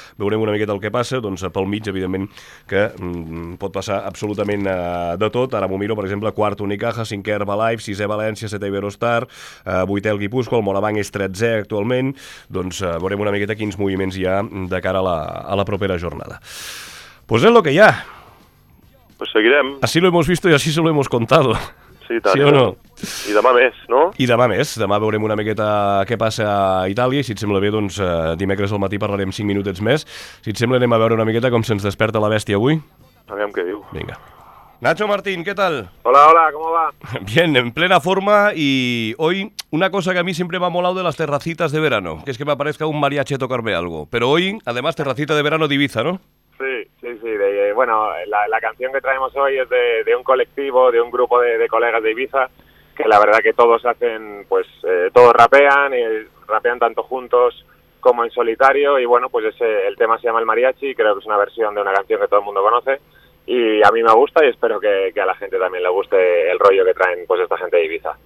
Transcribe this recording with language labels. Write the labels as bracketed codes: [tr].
[ca] Veurem una miqueta el que passa, doncs pel mig, evidentment, que pot passar absolutament de tot. Ara m'ho miro, per exemple, quart Unicaja, cinquè Herbalife, sisè València, setè Iberostar, vuitè el Guipúscoa, el Morabanc és 13è actualment, doncs veurem una miqueta quins moviments hi ha de cara a la propera jornada. Pues és lo que hi ha. Pues seguirem. [es] Así lo hemos visto y así se lo hemos contado. [ca] Sí, tant. Sí o no? I demà més, no? I demà més. Demà veurem una miqueta què passa a Itàlia i si et sembla bé, doncs dimecres al matí parlarem 5 minutets més. Si et sembla, anem a veure una miqueta com se'ns desperta la bèstia avui. Aviam què diu. Vinga. [es] Nacho Martín, ¿qué tal? Hola, hola, ¿cómo va? Bien, en plena forma y hoy una cosa que a mí siempre me ha molado de las terracitas de verano, que es que me aparezca un mariachi a tocarme algo. Pero hoy, además, terracita de verano de Ibiza, ¿no? Sí, sí, sí. Bueno, la canción que traemos hoy es de un colectivo, de un grupo de colegas de Ibiza, que la verdad que todos hacen, pues, todos rapean, y rapean tanto juntos como en solitario, y bueno, pues ese, el tema se llama El Mariachi, y creo que es una versión de una canción que todo el mundo conoce, y a mí me gusta, y espero que a la gente también le guste el rollo que traen, pues, esta gente de Ibiza.